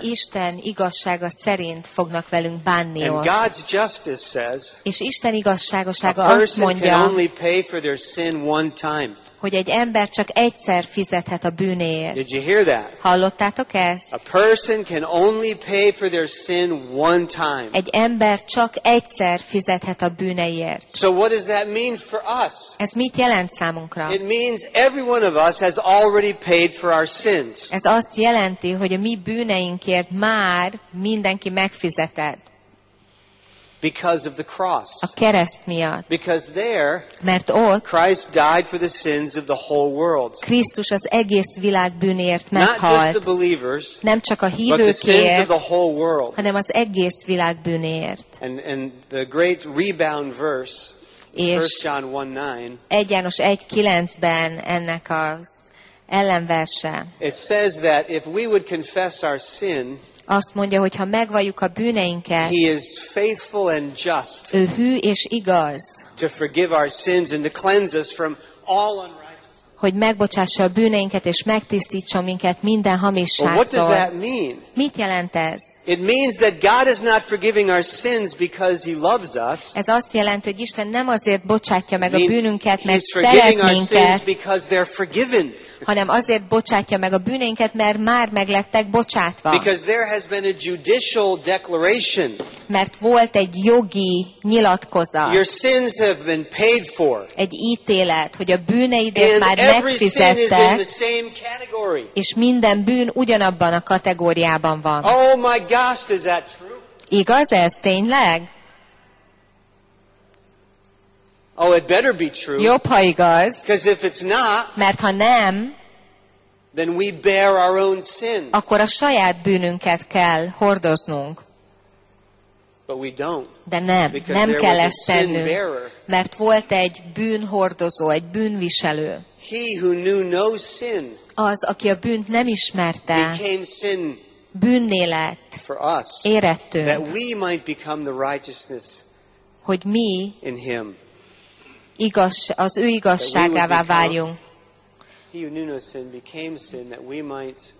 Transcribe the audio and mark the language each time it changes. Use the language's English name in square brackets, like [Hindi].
[Hungarian] Isten igazsága szerint fognak velünk bánni ott. [English] And God's justice says. [Hungarian] És Isten igazságossága azt mondja. [English] Can only pay for their sin one time. [Hungarian] Hogy egy ember csak egyszer fizethet a bűnéért. [English] Did you hear that? [Hungarian] Hallottátok ezt? [English] A person can only pay for their sin one time. [Hungarian] Egy ember csak egyszer fizethet a bűneiért. [English] So what does that mean for us? [Hungarian] Ez mit jelent számunkra? [English] It means every one of us has already paid for our sins. [Hungarian] Ez azt jelenti, hogy a mi bűneinkért már mindenki megfizetett. [English] Because of the cross. [Hungarian] A kereszt miatt. [English] Because there, [Hungarian] mert ott, [English] Christ died for the sins of the whole world. [Hungarian] Krisztus az egész világ bűnéért meghalt. [English] Not just the believers, [Hungarian] nem csak a hívőkért, [English] but the sins of the whole world. [Hungarian] Hanem az egész világ bűnéért. [English] And the great rebound verse, 1 John 1:9. [Hungarian] 1 János 1:9-ben ennek az ellenverse. [English] It says that if we would confess our sin. [Hungarian] Azt mondja, hogy ha megvalljuk a bűneinket, [English] he is faithful and just, [Hungarian] ő hű és igaz, [English] to forgive our sins and to cleanse us from all unrighteousness. [Hungarian] Hogy megbocsássa a bűneinket és megtisztítsa minket minden hamisságtól. [English] Well, what does that mean? [Hungarian] Mit jelent ez? [English] It means that God is not forgiving our sins because he loves us. [Hungarian] Ez azt jelenti, hogy Isten nem azért bocsátja meg a bűnünket, mert szeret minket. [English] He's forgiving our sins because they're forgiven. [Hungarian] Hanem azért bocsátja meg a bűneinket, mert már meglettek bocsátva. [English] Because there has been a judicial declaration. [Hungarian] Mert volt egy jogi nyilatkozat. [English] Your sins have been paid for. [Hungarian] Egy ítélet, hogy a bűneidet [English] and [Hungarian] már megfizettek. És minden bűn ugyanabban a kategóriában van. [English] Oh my gosh, is that true? [Hungarian] Igaz ez tényleg? [English] Oh, it better be true. [Hungarian] Jobb, ha igaz. [English] Because if it's not, [Hungarian] mert ha nem, [English] then we bear our own sin. [Hungarian] Akkor a saját bűnünket kell hordoznunk. [English] But we don't. [Hungarian] De nem. [English] Because [Hungarian] nem [English] there [Hungarian] kell [English] was [Hungarian] ezt tennünk, [English] a sin bearer. [Hungarian] Mert volt egy bűnhordozó, egy bűnviselő. [English] He who knew no sin. [Hungarian] Az, aki a bűnt nem ismerte. [English] Became sin. [Hungarian] Bűnné lett. [English] For us. [Hungarian] Érettünk. [English] That we might become the righteousness. [Hungarian] Hogy mi. [English] In him. [Hungarian] Igaz, az ő igazságává váljunk. [English] He who knew no sin became sin that we might